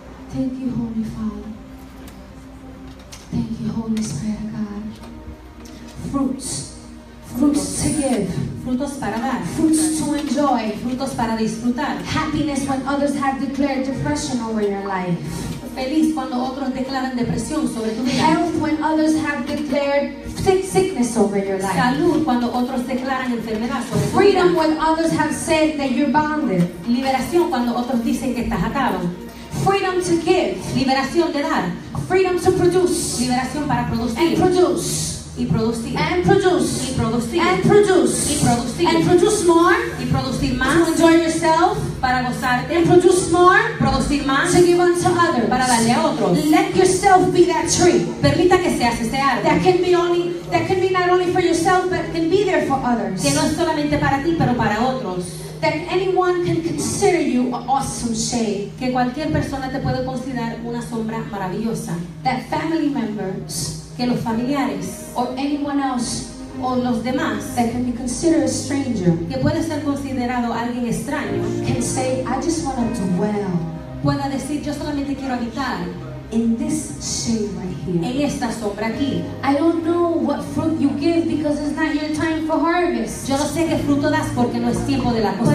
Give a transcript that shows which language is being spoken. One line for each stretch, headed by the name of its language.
English: Thank you, Holy Father. Thank you, Holy Spirit of God. Fruits. Fruits to give.
Spanish: Frutos para dar.
English: Fruits to enjoy.
Spanish: Frutos para disfrutar.
English: Happiness when others have declared depression over your life.
Spanish: Feliz cuando otros declaran depresión sobre tu vida.
English: Health when others have declared sickness over your life.
Spanish: Salud cuando otros declaran enfermedad sobre tu
English: freedom
Spanish: vida.
English: Freedom when others have said that you're bonded.
Spanish: Liberación cuando otros dicen que estás atado.
English: Freedom to give.
Spanish: Liberación de dar.
English: Freedom to produce.
Spanish: Liberación para producir.
English: And produce.
Spanish: Y producir.
English: And produce.
Spanish: Y producir.
English: And produce.
Spanish: Y producir.
English: And produce more.
Spanish: Y producir más.
English: To enjoy yourself.
Spanish: Para gozarte.
English: And produce more.
Spanish: Producir más.
English: To give unto others.
Spanish: Para darle a otros.
English: Let yourself be that tree.
Spanish: Permita que seas ese árbol.
English: That can be only. That can be not only for yourself, but can be there for others.
Spanish: Que no es solamente para ti, pero para otros.
English: That anyone can consider you an awesome shade.
Spanish: Que cualquier persona te puede considerar una sombra maravillosa.
English: That family members.
Spanish: Que los familiares.
English: Or anyone else.
Spanish: O los demás.
English: That can be considered a stranger.
Spanish: Que puede ser considerado alguien extraño.
English: Can say, I just want to dwell.
Spanish: Pueda decir, yo solamente quiero habitar.
English: In this shade right here.
Spanish: En esta sombra aquí.
English: I don't know what fruit you give because it's not your time for harvest.
Spanish: Yo no sé qué fruto das porque no es tiempo de la cosecha.